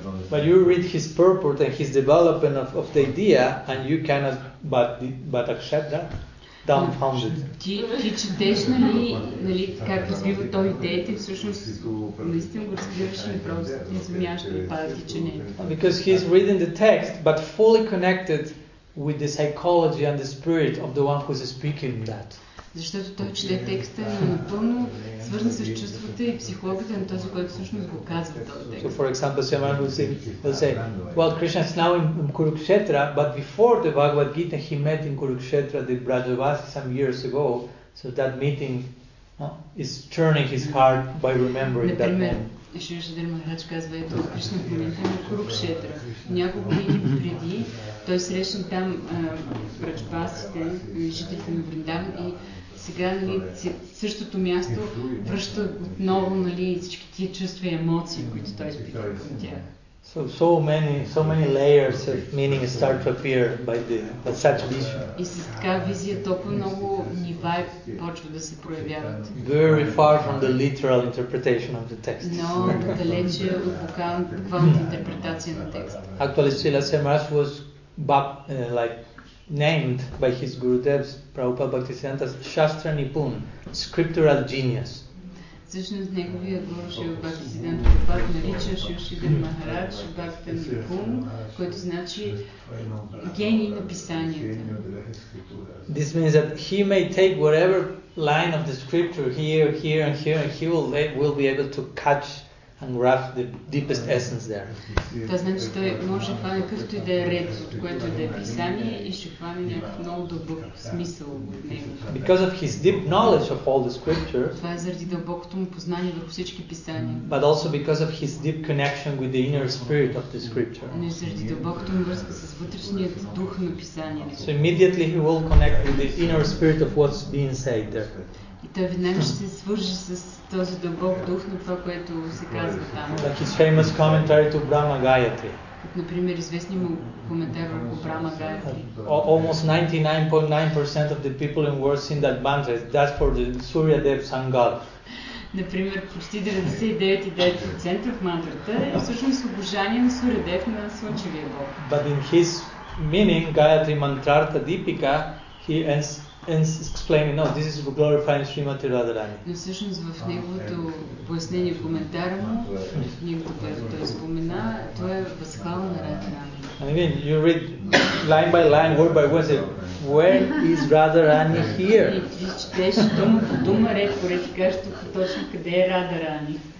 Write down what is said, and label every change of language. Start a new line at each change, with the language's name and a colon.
English: But you read his purport and his development of the idea and you cannot but accept that. Dumbfounded.
Bulgarian: Ти четеш, нали, как развива той идеята и всъщност наистина го разбираш и просто изумяваш и падаш ти ченето.
English: Because he is reading the text, but fully connected with the psychology and the spirit of the one who is speaking that.
Bulgarian: Защото той чете текста и напълно свързан с чувствата и психологията на този, който всъщност го казва този текст.
English: So for example, someone will say, well, Krishna is now in Kurukshetra, but before the Bhagavad Gita, he met in Kurukshetra the Brajavasi some years ago, so that meeting is turning his heart by remembering that moment.
Bulgarian: Шри Шадар Махарадж казва, ето, Кришна в момента на Курукшетра. Няколко години преди той срещна там Брачбасите, жителите на Вриндаван и сега, нали, същото място връща отново, нали, всички тия чувства и емоции, които той изпитва към тях.
English: So many layers of meaning start to appear by such vision.
Bulgarian: И с така визия толкова много нива почва да се проявяват.
English: Very far from the literal interpretation of the text.
Bulgarian: Но далече от буквалната интерпретация на текста.
English: Actually, Srila Sri Maharaj was named by his Gurudev, Prabhupada Bhaktisiddhanta, as Shastra Nipun, scriptural genius.
Bulgarian: Всъщност неговия гуру Шива Бхактисиддханта Прабхупад нарича Шива Шридхар Махарадж Бхакта Нипун, което значи гений на писанията.
English: This means that he may take whatever line of the scripture here, here and here, and he will be able to catch and grasp the deepest essence there.
Bulgarian: Това значи, че той може да хване какъвто и да е ред, от което да е писание и ще хване някакъв много дълбок смисъл от него.
English: Because of his deep knowledge of all the scriptures.
Bulgarian: Това е заради дълбокото му познание върху всички писания.
English: But also because of his deep connection with the inner spirit of the scripture.
Bulgarian: Не заради дълбокото му връзка с вътрешният дух на писанието.
English: So immediately he will connect with the inner spirit of what's being said there.
Bulgarian: Той веднага ще се свържи с този дълбок дух на това, което се казва там.
English: Like his famous commentary to Brahma Gayatri.
Bulgarian: Например, известни му коментар върху Брама Гаятри.
English: Almost 99.9% of the people in world sing that mantra. That's for the Surya Dev Sangal.
Bulgarian: Например, почти 99.9% в мантрата е всъщност обожание на Surya Dev, на Слънчевия Бог.
English: But in his meaning, Gayatri Mantrata Deepika, he ends explaining, no, this is for glorifying Srimati Radharani.
Bulgarian: Но всъщност в неговото пояснение, коментар му, неговото, което той спомена, той е възхвала на Радхарани.
English: I mean, you read line by line, word by word, say, where is Radharani here?
Bulgarian: И четеш дума по дума, ред по ред, и кажеш тук точно къде е Радхарани.